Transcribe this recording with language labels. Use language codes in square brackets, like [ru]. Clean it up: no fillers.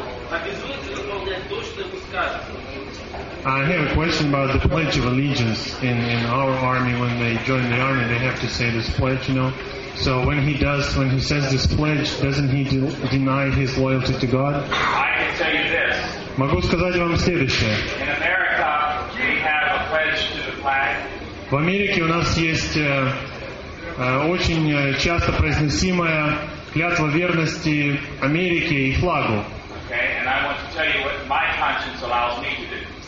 [ru] Обязуется выполнять то, что ему скажут. [en] I have a question about the Pledge of Allegiance in our army. When they join the army, they have to say this pledge, you know. So when he says this pledge, doesn't he deny his loyalty to God? I can tell you this. [ru] Могу сказать вам следующее. [en] In America, we have a pledge to the flag. [ru] В Америке у нас есть очень часто произносимая клятва верности Америке и флагу. [en] Okay, and I want to tell you what my conscience allows me to do.